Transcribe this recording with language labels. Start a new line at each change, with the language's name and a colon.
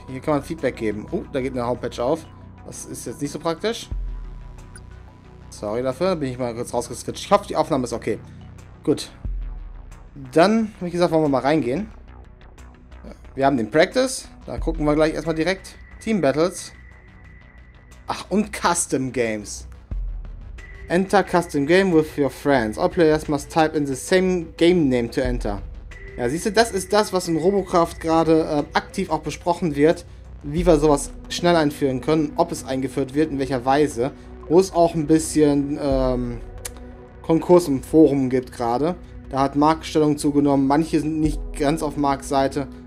German: Hier kann man Feedback geben. Da geht eine Homepage auf. Das ist jetzt nicht so praktisch. Sorry dafür, da bin ich mal kurz rausgeswitcht. Ich hoffe, die Aufnahme ist okay. Gut. Dann, wie gesagt, wollen wir mal reingehen. Wir haben den Practice. Da gucken wir gleich erstmal direkt. Team Battles. Ach, und Custom Games.
English: Enter Custom Game with your friends. All players must type in the same game name to enter.
German: Ja, siehst du, das ist das, was in Robocraft gerade aktiv auch besprochen wird. Wie wir sowas schnell einführen können, ob es eingeführt wird, in welcher Weise. Wo es auch ein bisschen Konkurs im Forum gibt gerade. Da hat Marc Stellung zugenommen. Manche sind nicht ganz auf Marks Seite.